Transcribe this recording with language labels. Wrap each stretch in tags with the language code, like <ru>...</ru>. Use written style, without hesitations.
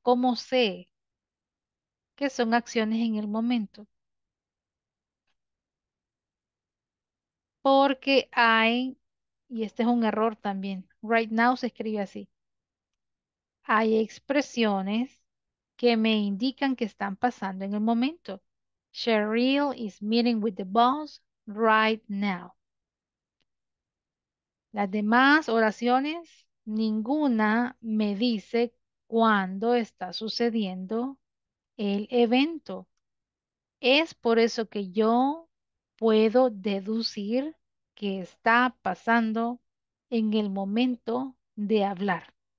<es>¿Cómo sé que son acciones en el momento? Porque hay, y este es un error también, right now se escribe así. Hay expresiones que me indican que están pasando en el momento.</es> <en>Cheryl is meeting with the boss right now.</en> <es>Las demás oraciones, ninguna me dice cuándo está sucediendo el evento. Es por eso que yo puedo deducir que está pasando en el momento de hablar.</es>